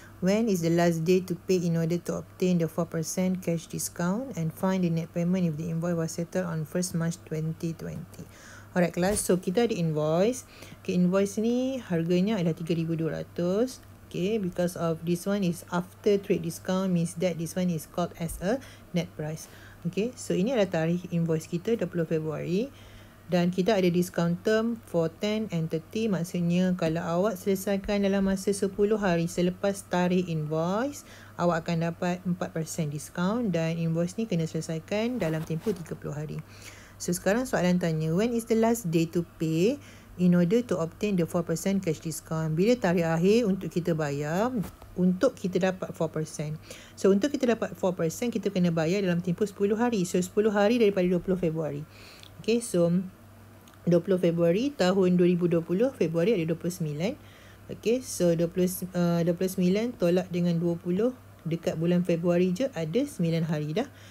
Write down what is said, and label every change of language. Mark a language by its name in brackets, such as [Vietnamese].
[English] When is the last day to pay in order to obtain the 4% cash discount and find the net payment if the invoice was settled on 1st March 2020? Alright class, [Malay] so kita ada invoice. Okay, invoice ni harganya adalah RM3,200. [English] Okay, because of this one is after trade discount, means that this one is called as a net price. [Malay] Okay, so ini adalah tarikh invoice kita 20 Februari. Dan kita ada [English] discount term for 10 and 30. [Malay] Maksudnya kalau awak selesaikan dalam masa 10 hari selepas tarikh invoice, awak akan dapat 4% discount. Dan invoice ni kena selesaikan dalam tempoh 30 hari. [English] So [Malay] sekarang soalan tanya, [English] when is the last day to pay in order to obtain the 4% cash discount? [Malay] Bila tarikh akhir untuk kita bayar untuk kita dapat 4%? So untuk kita dapat 4%, kita kena bayar dalam tempoh 10 hari. So 10 hari daripada 20 Februari. Okay, so 20 Februari tahun 2020, Februari ada 29. Okay, so 29 tolak dengan 20, dekat bulan Februari je ada 9 hari dah.